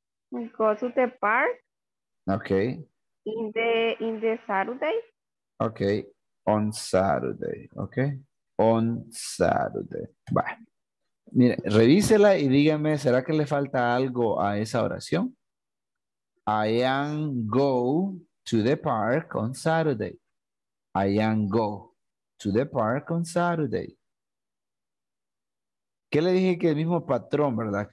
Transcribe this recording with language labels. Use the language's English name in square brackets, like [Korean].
[English] Go to the park. Okay. In the Saturday. Okay. On Saturday. Okay. On Saturday. Bye. [Spanish] Mire, revísela y dígame, ¿será que le falta algo a esa oración? [English] I am go to the park on Saturday. I am go to the park on Saturday. [Spanish] ¿Qué le dije que el mismo patrón, verdad?